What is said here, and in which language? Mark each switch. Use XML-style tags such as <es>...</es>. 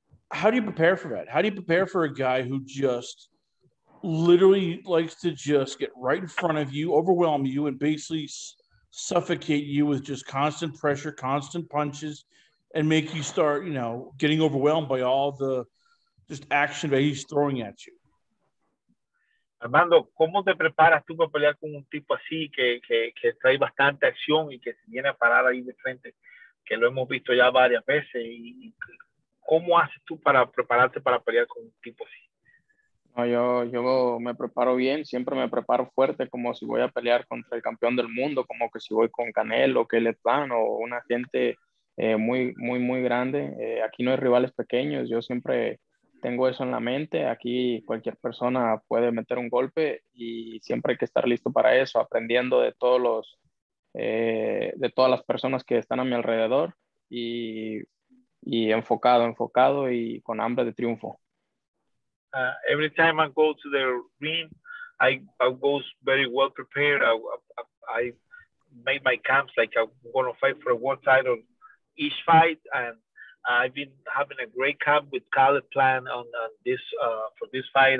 <en>How do you prepare for that? How do you prepare for a guy who just literally likes to just get right in front of you, overwhelm you, and basically suffocate you with just constant pressure, constant punches, and make you start, you know, getting overwhelmed by all the just action that he's throwing at you?</en> <es>Armando, ¿cómo te preparas tú para pelear con un tipo así que trae bastante acción y que se viene a parar ahí de frente? Que lo hemos visto ya varias veces. ¿Y cómo haces tú para prepararte para pelear con un tipo así? No, yo me preparo bien, siempre me preparo fuerte, como si voy a pelear contra el campeón del mundo, como que si voy con Canelo, que le plan, o una gente muy, muy, muy grande. Aquí no hay rivales pequeños, yo siempre tengo eso en la mente. Aquí cualquier persona puede meter un golpe y siempre hay que estar listo para eso, aprendiendo de todos los de todas las personas que están a mi alrededor y enfocado y con hambre de triunfo.</es> <en>Every time I go to the ring, I go very well prepared. I made my camps like I'm going to fight for a world title each fight, and I've been having a great camp with Caleb Plan on this for this fight.</en>